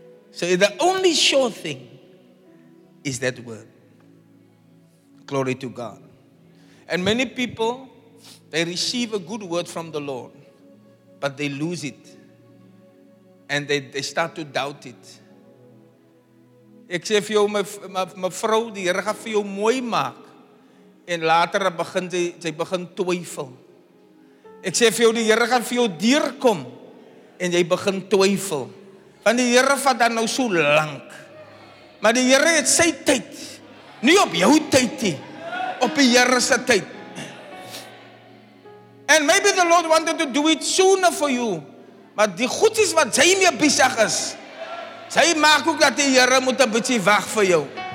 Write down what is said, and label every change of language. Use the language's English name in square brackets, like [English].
[English] So the only sure thing is that word. Glory to God. And many people, they receive a good word from the Lord, but they lose it. And they start to doubt it. [Afrikaans] Ek sê vir jou, my vrou, die Here gaan vir jou mooi maak. En later begin sy begin twyfel. Ek sê vir jou, die Here gaan vir jou deurkom. En jy begin twyfel. Want die Here vat dan nou so lank. Maar die Here het sy tyd. Nie op jou tyd nie. Op die Here se tyd. [English] And maybe the Lord wanted to do it sooner for you. [Afrikaans] Maar die goed is wat sy mee besig is. Sy maak ook dat die Here moet 'n bietjie wag vir jou.